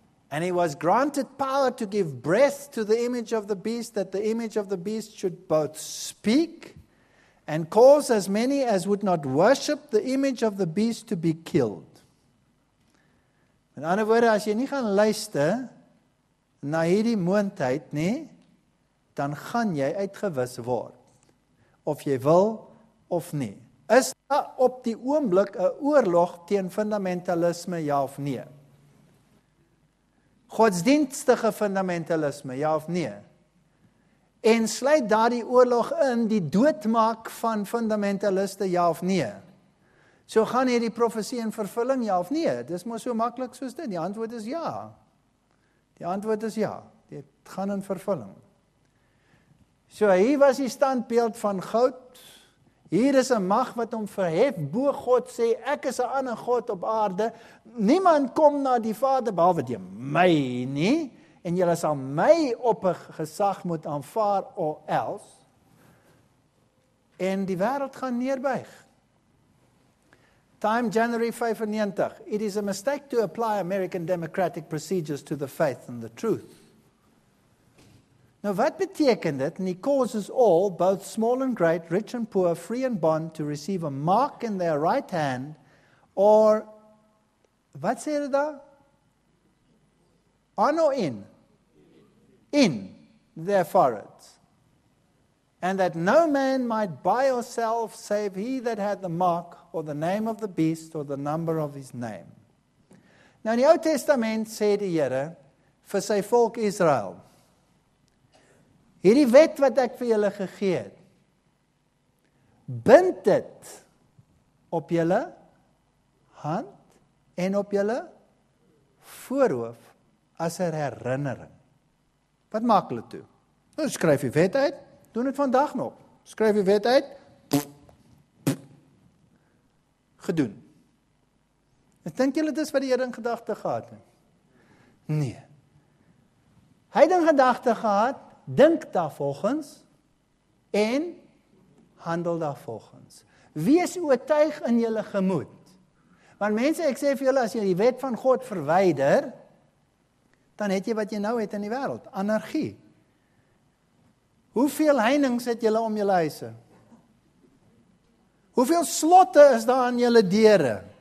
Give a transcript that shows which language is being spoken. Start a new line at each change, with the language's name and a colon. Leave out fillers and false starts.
English: And he was granted power to give breath to the image of the beast, that the image of the beast should both speak and cause as many as would not worship the image of the beast to be killed.
Afrikaans: In ander woorde, as jy nie gaan luister na hierdie moontheid nie, dan gaan jy uitgewis word, of jy wil of nie. Is daar op die oomblik 'n oorlog teen fundamentalisme, ja of nee? Godsdienstige fundamentalisme, ja of nee? En sluit daar die oorlog in, die doodmaak van fundamentaliste, ja of nee? So gaan hier die profesie in vervulling, ja of nee? Dis maar so maklik soos dit. Die antwoord is ja. Die antwoord is ja. Dit gaan in vervulling. So hier was die standbeeld van goud. Hier is 'n mag wat hom verhef bo God sê, ek is 'n ander God op aarde. Niemand kom na die Vader behalwe deur my nie. En jy sal my op 'n gesag moet aanvaar
English: or else.
Afrikaans: En die wêreld gaan neerbuig.
English: Time January 95. It is a mistake to apply American democratic procedures to the faith and the truth.
Afrikaans: Nou wat beteken dit?
English: And he causes all, both small and great, rich and poor, free and bond, to receive a mark in their right hand, or,
Afrikaans: wat sê dit daar?
English: On or in? In their foreheads. And that no man might buy or sell, save he that had the mark, or the name of the beast, or the number of his name.
Afrikaans: Nou in die Ou Testament sê die Here, vir sy volk Israel, hierdie wet wat ek vir julle gegee het, bind dit op julle hand en op julle voorhoof as 'n herinnering. Wat maak hulle toe? Nou, skryf die wet uit, doen het vandag nog. Skryf die wet uit, gedoen. En dink julle dis wat die Here in gedagte gehad het? Nee. Hy het in gedagte gehad, dink daar volgens, en handel daar volgens. Wees oortuig in julle gemoed. Want mense, ek sê vir julle, as jy die wet van God verwyder, dan het jy wat jy nou het in die wêreld, anargie. Hoeveel heininge het julle om julle huise? Hoeveel slotte is daar aan julle deure?